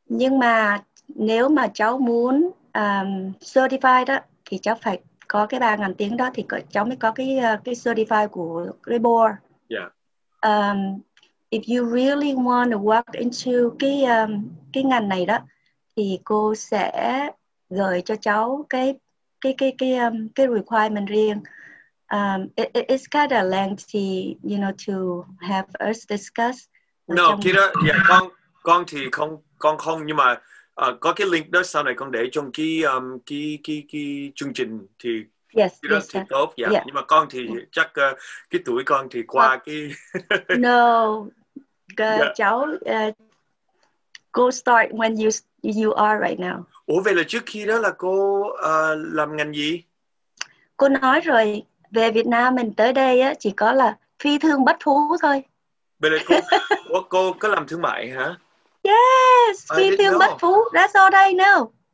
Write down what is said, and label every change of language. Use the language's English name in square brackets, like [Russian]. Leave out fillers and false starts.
[Vietnamese] Nhưng mà nếu mà cháu muốn certified đó thì cháu phải có cái 3.000 tiếng đó thì cháu mới có cái certified của cái board. [English] If you really want to walk into [Vietnamese] cái ngành này đó, thì cô sẽ gửi cho cháu cái requirement riêng. [English] It's kind of lengthy, you know, to have us discuss. [Vietnamese] No, kia đó, con thì không, con không, nhưng mà có cái link đó sau này con để trong cái chương trình thì. [English] Yes, [Vietnamese] nhưng mà con thì chắc cái tuổi con thì qua cái. [English] No. Cháu go start when you are right now. [Vietnamese] Ủa vậy là trước khi đó là cô làm ngành gì? Cô nói rồi, về Việt Nam mình tới đây á chỉ có là phi thương bất phú thôi. Vậy là cô có làm thương mại hả? [English] Yes, [Vietnamese] phi thương bất phú. [English] That's all I know.